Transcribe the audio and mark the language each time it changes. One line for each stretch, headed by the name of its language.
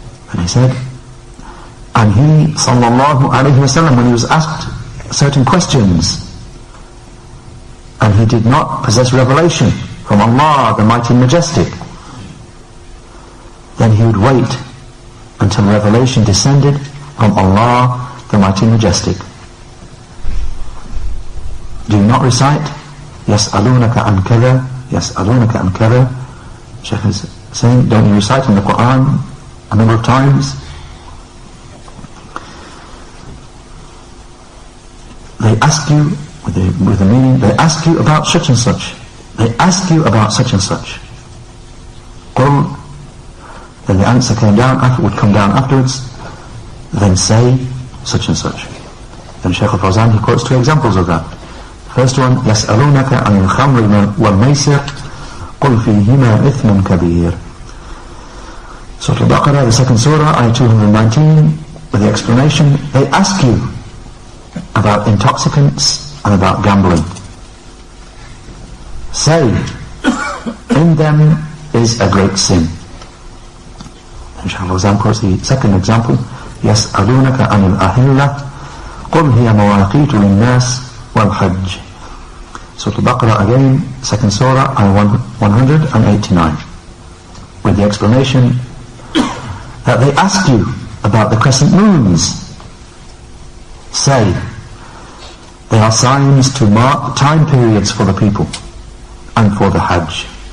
English: And he said, and he sallallahu alaihi wasallam, when he was asked certain questions, and he did not possess revelation from Allah, the Mighty and Majestic, then he would wait until revelation descended from Allah, the Mighty and Majestic. Do not recite,
Arabic: يَسْأَلُونَكَ عَنْ كَذَا يَسْأَلُونَكَ عَنْ كَذَا.
English: Shaykh is saying, don't you recite in the Qur'an a number of times. They ask you, with the meaning, they ask you about such and such. They ask you about such and such.
Arabic: قُلْ.
English: Then the answer came down, would come down afterwards. Then say such and such. Then Shaykh al-Fawzan, he quotes two examples of that. First one,
Arabic: يَسْأَلُونَكَ عَنِ الْخَمْرِ وَالْمَيْسِرِ قُلْ فِيهِمَا إِثْمٌ كَبِيرٌ.
English: Surah Al-Baqarah, the second surah, ayah 219, with the explanation, they ask you about intoxicants and about gambling. Say, in them is a great sin. And Shaykh al-Fawzan quotes the second example,
Arabic: يَسْأَلُونَكَ عَنِ الْأَهِلَّةِ قُلْ هِيَ مَوَاقِيتُ لِلنَّاسِ وَالْحَجِّ.
English: Surah Al-Baqarah again, second surah, ayah 189, with the explanation that they ask you about the crescent moons. Say, they are signs to mark time periods for the people and for the Hajj.